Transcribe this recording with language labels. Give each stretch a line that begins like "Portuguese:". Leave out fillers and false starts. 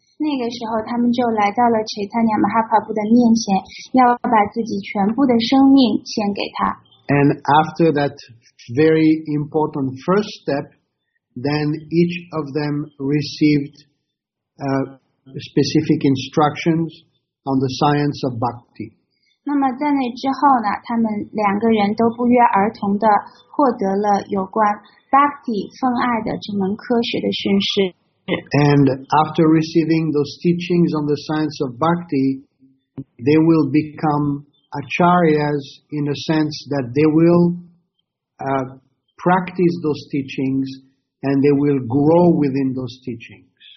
Chinese: 那个时候他们就来到了 Chaitanya Mahaprabhu 的面前，要把自己全部的生命献给他。
English: And after that very important first step, then each of them received specific instructions on the science of bhakti.
Chinese: 那么在那之后呢，他们两个人都不约而同地获得了有关 bhakti 奉爱的这门科学的训示。
English: And after receiving those teachings on the science of bhakti, they will become acharyas in a sense that they will practice those teachings and they will grow within those teachings.